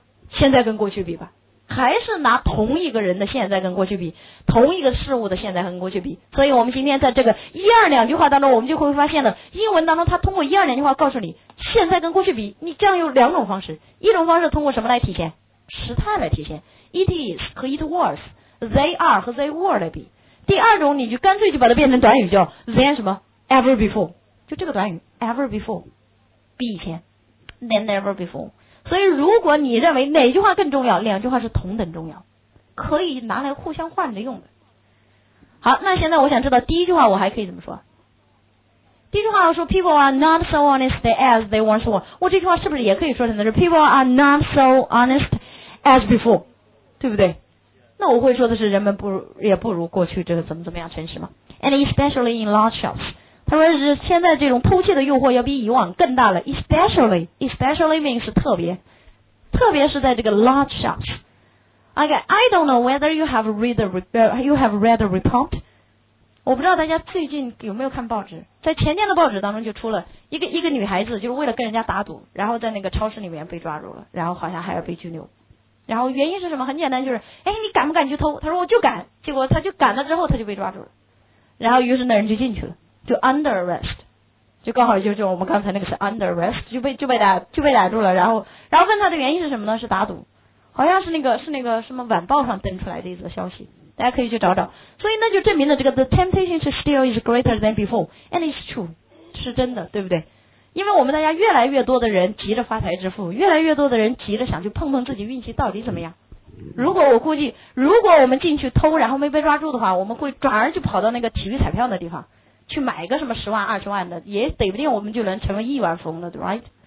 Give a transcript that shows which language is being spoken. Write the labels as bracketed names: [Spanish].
[Chinese] 现在跟过去比吧，还是拿同一个人的现在跟过去比，同一个事物的现在跟过去比。所以我们今天在这个一二两句话当中，我们就会发现了英文当中它通过一二两句话告诉你现在跟过去比，你这样有两种方式。一种方式通过什么来体现？时态来体现， [English] it is 和 it was， they are 和 they were 来比。 [Chinese] 第二种你就干脆就把它变成短语叫 than 什么 [English] ever before， [Chinese] 就这个短语 ever before， 比以前 [English] than ever before。 [Chinese] 所以如果你认为哪句话更重要，两句话是同等重要，可以拿来互相换着用的。好，那现在我想知道第一句话我还可以怎么说。第一句话我说 [English] people are not so honest as they once were， [Chinese] 我这句话是不是也可以说成的是 [English] people are not so honest as before， [Chinese] 对不对？那我会说的是人们不也不如过去这个怎么怎么样诚实吗？ [English] And especially in large shops， [Chinese] 他说是现在这种偷窃的诱惑要比以往更大了。 [English] especially means [Chinese] 特别，特别是在这个 large shops。 [English] Okay, I don't know whether you have read the report。 [Chinese] 我不知道大家最近有没有看报纸，在前天的报纸当中就出了一个女孩子就是为了跟人家打赌，然后在那个超市里面被抓住了，然后好像还要被拘留。然后原因是什么？很简单，就是哎，你敢不敢去偷？她说我就敢，结果她就敢了之后她就被抓住了，然后于是那人就进去了，就 [English] under arrest， [Chinese] 就刚好就是我们刚才那个是 under arrest， 就被逮住了。然后问他的原因是什么呢？是打赌，好像是那个什么晚报上登出来的一则消息，大家可以去找找。所以那就证明了这个 [English] the temptation to steal is greater than before and it's true， [Chinese] 是真的，对不对？因为我们大家越来越多的人急着发财致富，越来越多的人急着想去碰碰自己运气到底怎么样。如果我们进去偷然后没被抓住的话，我们会转而就跑到那个体育彩票的地方去买个什么十万二十万的，也得不定我们就能成为亿万富翁了， right？